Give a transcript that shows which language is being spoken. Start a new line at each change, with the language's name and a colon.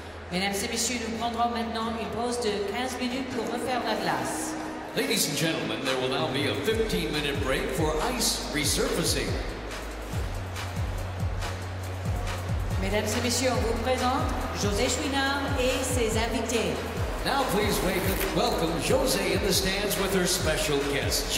French: Mesdames et messieurs, nous prendrons maintenant une pause de 15 minutes pour refaire la glace.
English: Ladies and gentlemen, there will now be a 15-minute break for ice resurfacing.
French: Mesdames et messieurs, on vous présente José Chouinard et ses invités.
English: Now please welcome José in the stands with her special guest.